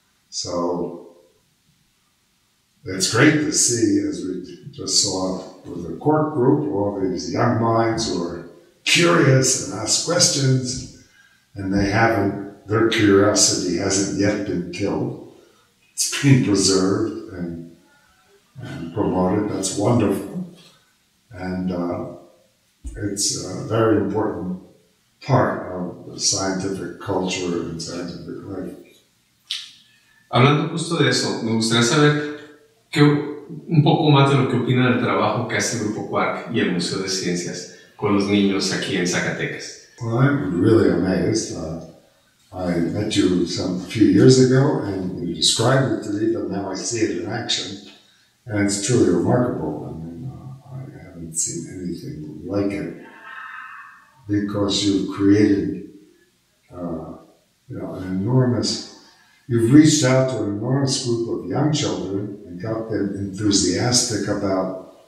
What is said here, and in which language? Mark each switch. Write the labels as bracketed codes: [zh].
[en] So it's great to see, as we just saw with the Quark group, all these young minds who are curious and ask questions, and they haven't, their curiosity hasn't yet been killed. It's being preserved and promoted. That's wonderful. And it's a very important part of the scientific culture and scientific life. [es] Hablando justo de eso, me gustaría saber que, un poco más de lo que opina del trabajo que hace el Grupo Quark y el Museo de Ciencias con los niños aquí en Zacatecas. [en] Well, I'm really amazed. I met you some few years ago and you described it to me, but now I see it in action. And it's truly remarkable. I mean, I haven't seen anything like it, because you've created an enormous, you've reached out to an enormous group of young children and got them enthusiastic about